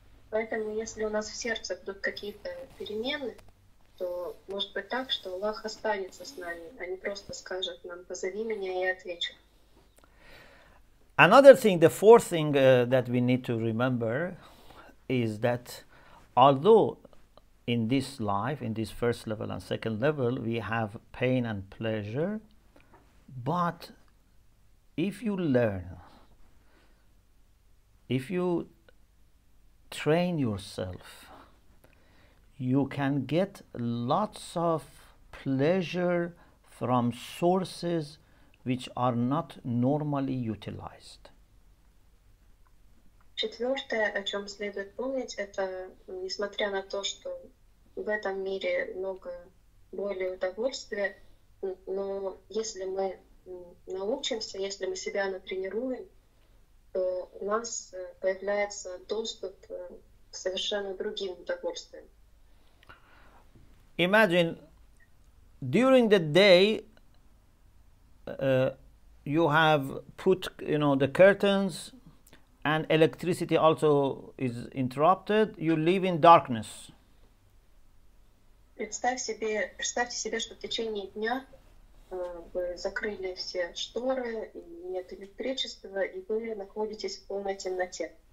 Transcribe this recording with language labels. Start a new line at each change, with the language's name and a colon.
Russian: Поэтому, если у нас в сердце будут какие-то перемены, то может быть так, что Аллах останется с нами, а не просто скажет нам, позови меня, и я отвечу.
English: Another thing, the fourth thing that we need to remember is that although in this life, in this first level and second level, we have pain and pleasure, but if you learn, if you train yourself, you can get lots of pleasure from sources which are not normally utilized.
Russian: Четвертое, о чем следует помнить, это несмотря на то, что в этом мире много боли и удовольствия, но если мы научимся, если мы себя натренируем, то у нас появляется доступ к совершенно другим удовольствиям.
English: Imagine, during the day, you have put, you know, the curtains, and electricity also is interrupted. You live in darkness.
Russian: Представьте себе, что в течение дня вы закрыли все шторы, и нет электричества, и вы находитесь в полной темноте.